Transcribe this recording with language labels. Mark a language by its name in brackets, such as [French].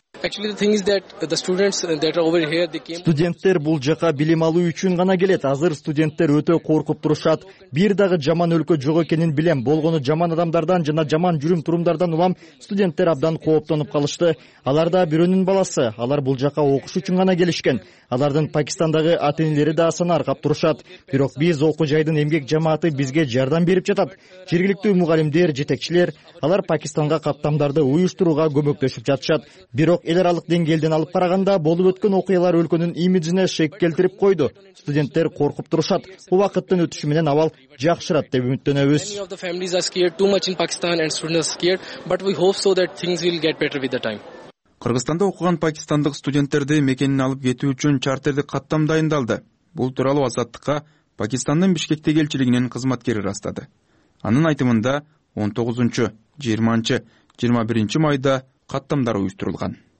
[English] Actually the thing is that the students that are over here they came [Kyrgyz] студенттер бул жака билим алуу үчүн гана келет. Азыр студенттер өтө коркуп турушат. Бир дагы жаман өлкө жок экенин билем. Болгону жаман адамдардан жана жаман жүрүм-турумдардан улам студенттер абдан кооптонуп калышты. Алар да бирөөнүн баласы. Алар бул жака окуш үчүн гана келишкен. Алардын Пакистандагы ата-энелери да асаны аркап турушат. Бирок биз окуу жайдын эмгек жамааты бизге жардам берип жатат. Жергиликтүү мугалимдер, жетекчилер алар Пакистанга каттамдарды уюштурууга көмөктөшүп жатышат. Бирок эл аралык деңгээлден алып караганда болуп өткөн окуялар өлкөнүн имиджине шек келтирип койду. Студенттер коркуп турушат. Убакыттын өтүшү менен абал жакшырат деп үмүттөнөбүз. [English] Many of the families are scared too much in Pakistan and students are scared, but we hope so that things will get better with the time. [Kyrgyz] Кыргызстанда окуган пакистандык студенттерди мекенине алып кетүү үчүн чартердик каттам дайындалды. Бул тууралуу Азаттыкка Пакистандын Бишкектеги элчилигинин кызматкери ырастады. Анын айтымында 19-20, 21 майда каттамдар уюштурулган.